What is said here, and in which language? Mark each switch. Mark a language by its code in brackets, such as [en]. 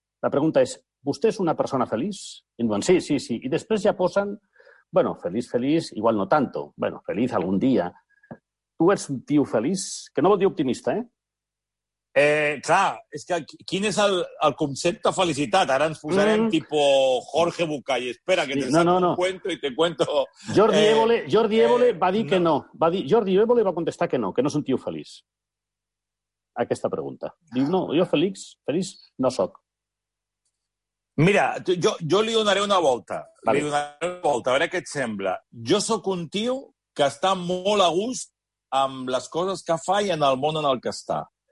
[ca] La pregunta és, vostè és una persona feliç? I em diuen, sí. I després ja posen, bueno, feliç, igual [es] no tanto. [ca] Bueno, feliç algun dia. tu ets un tio feliç, que no vol dir optimista, eh? Clar, és que quin és el concepte de felicitat? Ara ens posarem tipo Jorge Bucay. [es] Espera, que te saco un cuento y te cuento... [ca] Jordi Évole va dir que no. Va dir, Jordi Évole va contestar que no és un tio feliç. Aquesta pregunta. Diu, no, jo feliç no sóc. Mira, jo li donaré una volta. Vale. Li donaré una volta, a veure què et sembla. Jo sóc un tio que està molt a gust amb les coses que fa i en el món en el que està.